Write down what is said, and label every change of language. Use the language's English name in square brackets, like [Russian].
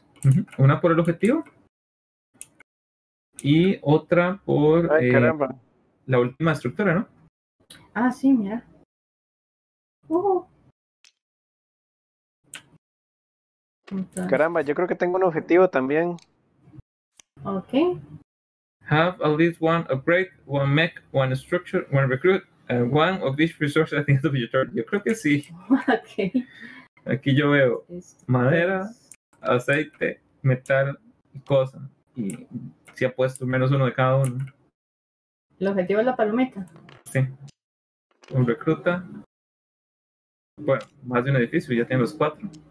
[Spanish] Uh-huh. Una por el objetivo. Y otra por... Ay, caramba. La última estructura, ¿no? Ah, sí, mira. Entonces. Caramba, yo creo que tengo un objetivo también. Ok. [English] Have at least 1 upgrade, 1 mech, 1 structure, 1 recruit, 1 of these resources at the end of your turn. [Spanish] Yo creo que sí. Ok. Aquí yo veo madera, aceite, metal y cosa. Y si ha puesto menos 1 de cada uno. El objetivo es la palometa. Sí. Un recruta. Bueno, más de un edificio, ya tiene los 4.